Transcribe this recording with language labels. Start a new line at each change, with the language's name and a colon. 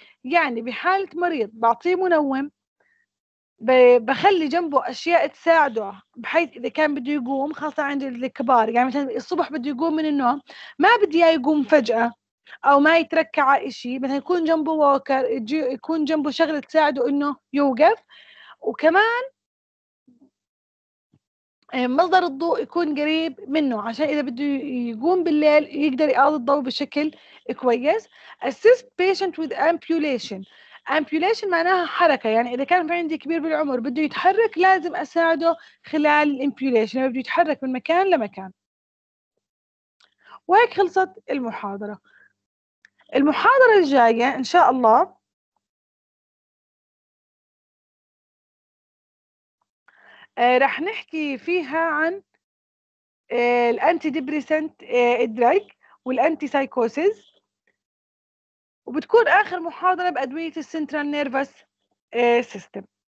Arabic: يعني بحالة مريض بعطيه منوم بخلي جنبه أشياء تساعده بحيث إذا كان بده يقوم، خاصة عند الكبار، يعني مثلا الصبح بده يقوم من النوم ما بدي يقوم فجأة أو ما يتركع إشي، مثلا يكون جنبه ووكر، يكون جنبه شغلة تساعده إنه يوقف. وكمان مصدر الضوء يكون قريب منه عشان إذا بده يقوم بالليل يقدر يقاضي الضوء بشكل كويس.
English: Assist patient with ambulation.
Arabic: Ambulation معناها حركة، يعني إذا كان عندي كبير بالعمر بده يتحرك لازم أساعده خلال الامبيوليشن، بده يتحرك من مكان لمكان. وهيك خلصت المحاضرة. المحاضرة الجاية إن شاء الله رح نحكي فيها عن الأنتي ديبريسنت دراج والأنتي سايكوسيز، وبتكون آخر محاضرة بأدوية السنترال نيرفس سيستم.